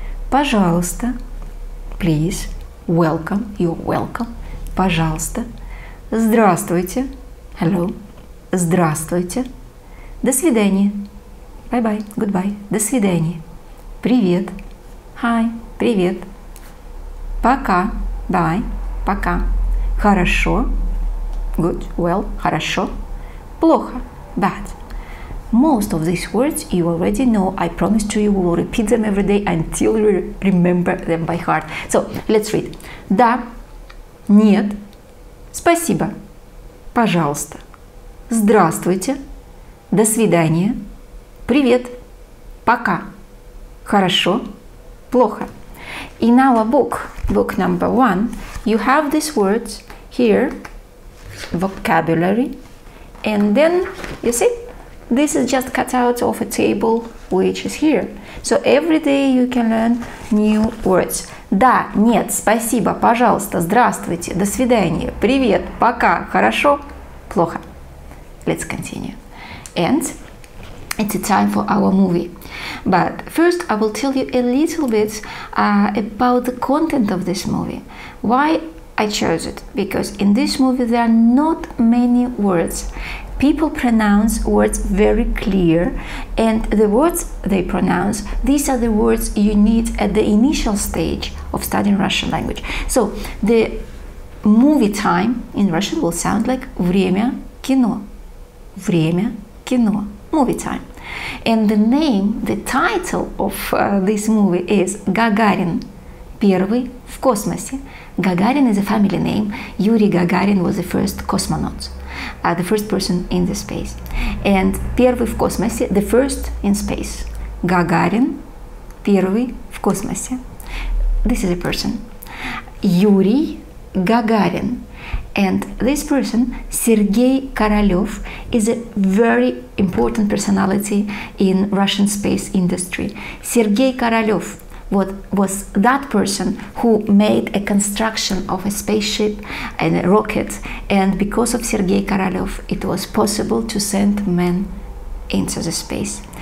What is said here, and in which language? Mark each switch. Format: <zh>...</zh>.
<ru>Пожалуйста,</ru> <en>please. Welcome, you're welcome.</en> <ru>Пожалуйста. Здравствуйте.</ru> <en>Hello.</en> <ru>Здравствуйте. До свидания.</ru> <en>Bye-bye. Goodbye.</en> <ru>До свидания. Привет. Hi. Привет. Пока. Bye. Пока. Хорошо.</ru> <en>Good. Well.</en> <ru>Хорошо. Плохо. Bad.</ru> <en>Most of these words you already know. I promise to you, we will repeat them every day until you remember them by heart. So, let's read.</en> <ru>Да, нет, спасибо, пожалуйста, здравствуйте, до свидания, привет, пока, хорошо, плохо.</ru> <en>In our book number one, you have these words here, vocabulary, and then, you see, this is just cut out of a table which is here. So every day you can learn new words.</en> <ru>Да, нет, спасибо, пожалуйста, здравствуйте, до свидания, привет, пока, хорошо, плохо.</ru> <en>Let's continue. And it's a time for our movie. But first I will tell you a little bit about the content of this movie. Why I chose it? Because in this movie there are not many words. People pronounce words very clear, and the words they pronounce, these are the words you need at the initial stage of studying Russian language. So the movie time in Russian will sound like</en> <ru>время кино. Время кино.</ru> <en>Movie time. And the name, the title of this movie is Гагарин.</en> <ru>Первый в космосе.</ru> <en>Гагарин is a family name. Юрий Гагарин was the first cosmonaut. The first person in the space. And</en> <ru>первый в космосе,</ru> <en>the first in space.</en> <ru>Гагарин, первый в космосе.</ru> <en>This is a person. Юрий Гагарин. And this person, Сергей Королёв, is a very important personality in Russian space industry.</en> <ru>Сергей Королёв.</ru> <en>What was that person who made a construction of a spaceship and a rocket, and because of Sergei Korolev, it was possible to send men into the space.</en>